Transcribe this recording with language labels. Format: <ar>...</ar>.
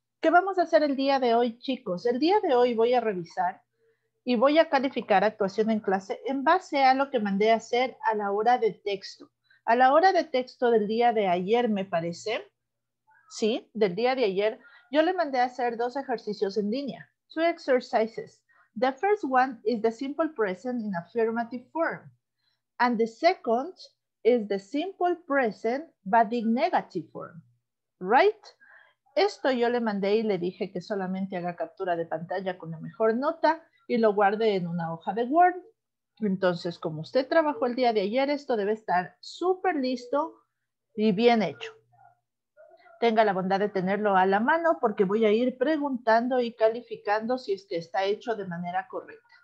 <es>¿Qué vamos a hacer el día de hoy, chicos? El día de hoy voy a revisar y voy a calificar actuación en clase en base a lo que mandé a hacer a la hora de texto. A la hora de texto del día de ayer, me parece. Sí, del día de ayer, yo le mandé a hacer dos ejercicios en línea.</es> <en>Two exercises. The first one is the simple present in affirmative form. And the second is the simple present, but in negative form, right?</en> <es>Esto yo le mandé y le dije que solamente haga captura de pantalla con la mejor nota y lo guarde en una hoja de Word. Entonces, como usted trabajó el día de ayer, esto debe estar súper listo y bien hecho. Tenga la bondad de tenerlo a la mano porque voy a ir preguntando y calificando si es que está hecho de manera correcta.</es>